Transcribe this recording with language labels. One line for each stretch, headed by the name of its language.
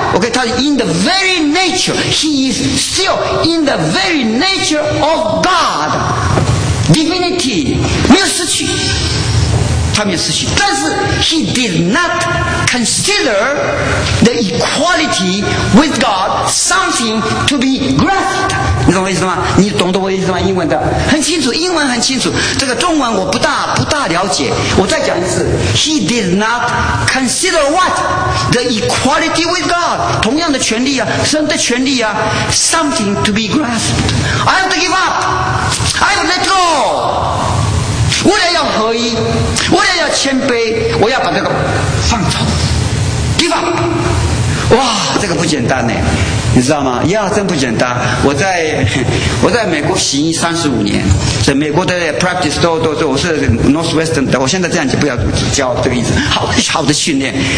English: OK， 他 in the very nature， he is still in the very nature of God， divinity
Chinese: 没有失去，他没有失去，但是
English: he did not consider the equality with God something to be grasped。
Chinese: 你懂我意思吗？你懂得我意思吗？英文的很清楚，英文很清楚。这个中文我不大了解。我再讲一次
English: ，He did not consider what the equality with God，
Chinese: 同样的权利啊，神的权利啊
English: ，something to be grasped。 I have to give up， I have to let go。
Chinese: 我也要合一，我也要谦卑，我要把这个放走 ，
English: give up。
Chinese: 哇，这个不简单呢，你知道吗？呀，真不简单。我在美国行医35年，在美国的 practice 都我是 Northwestern 的，我现在这样就不要教这个意思，好的训练。